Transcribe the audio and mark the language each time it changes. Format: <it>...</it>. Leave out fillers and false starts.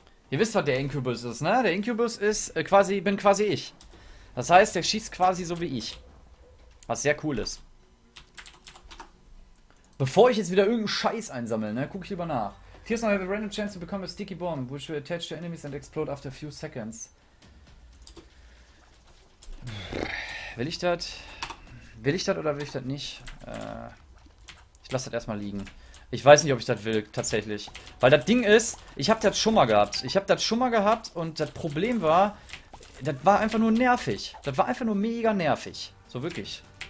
<de>Ihr wisst, was der Incubus ist, ne? Der Incubus ist quasi... bin quasi ich. Das heißt, der schießt quasi so wie ich. Was sehr cool ist. Bevor ich jetzt wieder irgendeinen Scheiß einsammle, ne? Guck ich lieber nach.</de> <en>Tears now have a random chance to become a sticky bomb, which will attach to enemies and explode after a few seconds.</en> <de>Will ich das? Will ich das oder will ich das nicht? Ich lasse das erstmal liegen. Ich weiß nicht, ob ich das will, tatsächlich. Weil das Ding ist, ich habe das schon mal gehabt. Und das Problem war, Das war einfach nur nervig. Das war einfach nur mega nervig. So wirklich.</de>